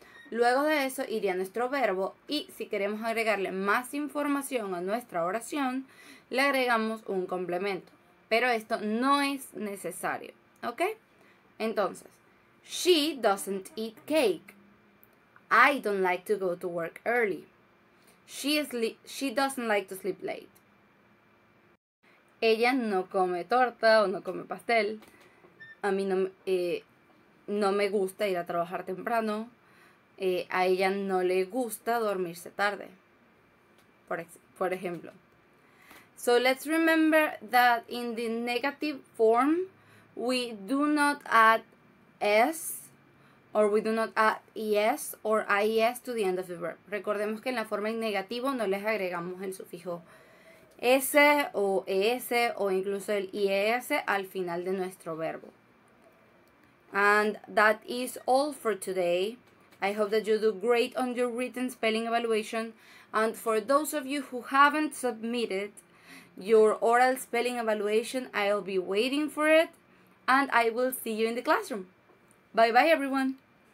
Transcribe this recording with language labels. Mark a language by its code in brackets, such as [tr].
[es] Luego de eso iría nuestro verbo, y si queremos agregarle más información a nuestra oración, le agregamos un complemento, pero esto no es necesario, ¿ok? [en] Entonces, she doesn't eat cake. I don't like to go to work early. She doesn't like to sleep late. [es] Ella no come torta o no come pastel. A mí no me gusta ir a trabajar temprano. A ella no le gusta dormirse tarde. Por ejemplo. [en] So let's remember that in the negative form, We do not add s or we do not add es or ies to the end of the verb. [es] Recordemos que en la forma en negativo no les agregamos el sufijo s o es o incluso el ies al final de nuestro verbo. [en] And that is all for today. I hope that you do great on your written spelling evaluation. And for those of you who haven't submitted your oral spelling evaluation, I'll be waiting for it. And I will see you in the classroom. Bye bye, everyone.